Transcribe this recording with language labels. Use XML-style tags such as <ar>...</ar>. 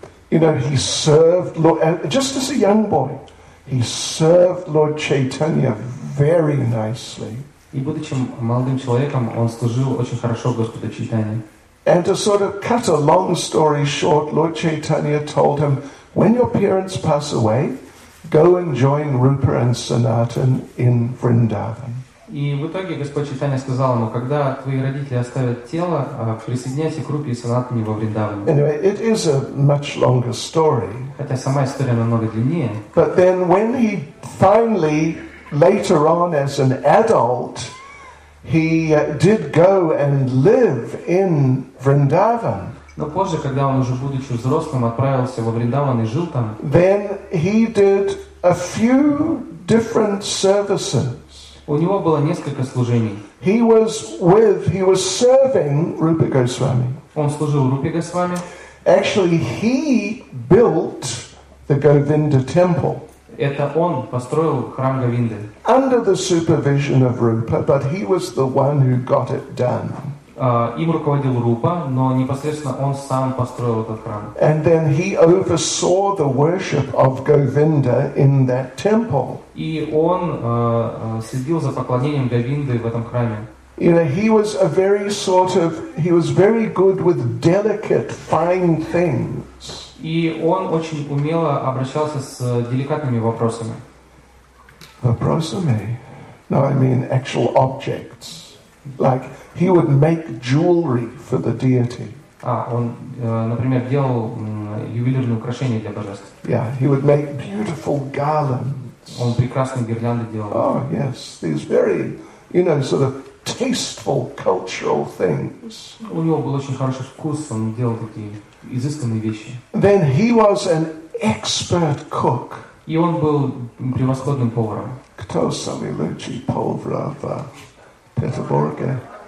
<en>You know, he served Lord, just as a young boy, he served Lord Chaitanya very nicely.</en> <ru>И будучи молодым человеком, он служил очень хорошо Господу Чайтанье.</ru> <en>And to sort of cut a long story short, Lord Chaitanya told him, when your parents pass away, go and join Rupa and Sanatan in Vrindavan.</en> <ru>И в итоге Господь Чайтанья сказал ему, когда твои родители оставят тело, присоединяйся к Рупе и Санатане во Вриндаване.</ru> <en>Anyway, it is a much longer story.</en> <ru>Хотя сама история намного длиннее.</ru> <en>But then when he finally, later on as an adult, he did go and live in Vrindavan.</en> <ru>Но позже, когда он уже будучи взрослым, отправился во Вриндаван и жил там.</ru> <en>Then he did a few different services.</en> <ru>У него было несколько служений.</ru> <en>He was serving Rupa Goswami.</en> <ru>Он служил Рупе Госвами.</ru> <en>Actually, he built the Govinda temple.</en> <ru>Это он построил храм Говинды.</ru> <en>Under the supervision of Rupa, but he was the one who got it done.</en> <ru>Им руководил Рупа, но непосредственно он сам построил этот храм.</ru> <en>And then he oversaw the worship of Govinda in that temple.</en> <ru>И он следил за поклонением Говинды в этом храме.</ru> <en>You know, he was very good with delicate, fine things.</en> <ru>И он очень умело обращался с деликатными вопросами. Вопросами?</ru> <en>No, I mean actual objects. Like, he would make jewelry for the deity.</en> <ru>Он, например, делал ювелирные украшения для божеств.</ru> <en>Yeah, he would make beautiful garlands.</en> <ru>Он прекрасные гирлянды делал.</ru> <en>Oh, yes, these very, you know, sort of tasteful cultural things.</en> <ru>У него был очень хороший вкус, он делал такие изысканные вещи.</ru> <en>Then he was an expert cook.</en> <ru>И он был превосходным поваром. Кто сами лучший повар в Петербурге?</ru>